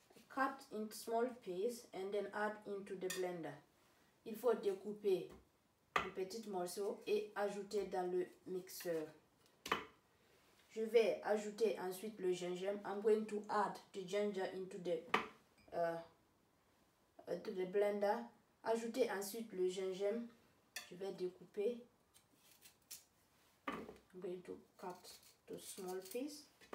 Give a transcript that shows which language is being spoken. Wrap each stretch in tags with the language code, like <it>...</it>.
<en>Cut in small pieces and then add into the blender.</en> <fr>Il faut découper un petit morceau et ajouter dans le mixeur. Je vais ajouter ensuite le gingembre.</fr> <en>I'm going to add the ginger into the blender.</en> <fr>Ajouter ensuite le gingembre. Je vais découper.</fr> <en>I'm going to cut the small piece.</en>